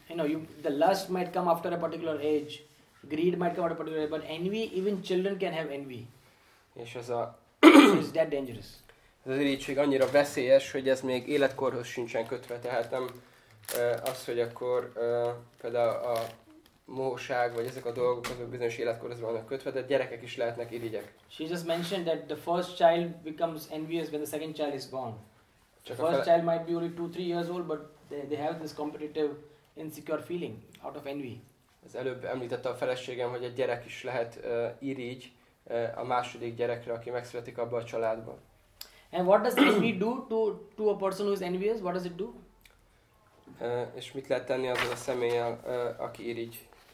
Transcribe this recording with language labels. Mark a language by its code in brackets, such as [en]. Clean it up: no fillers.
[en] You know, the lust might come after a particular age, greed might come after a particular age, but envy, even children can have envy. [hu] És ez a [en] is that dangerous. [hu] Ez az irigység annyira veszélyes, hogy ez még életkorhoz sincsen kötve, tehát nem az, hogy akkor például a mohóság, vagy ezek a dolgok, azok bizonyos életkorhoz vannak kötve, de gyerekek is lehetnek irigyek. [en] She just mentioned that the first child becomes envious when the second child is born. The first child might be only 2-3 years old, but they have this competitive, insecure feeling out of envy. [hu] Az előbb említette a feleségem, hogy egy gyerek is lehet irigy a második gyerekre, aki megszületik abban a családban. [en] And what does envy do to a person who is envious? What does it do? [hu] És mit lehet tenni azzal a személlyel, aki irigy?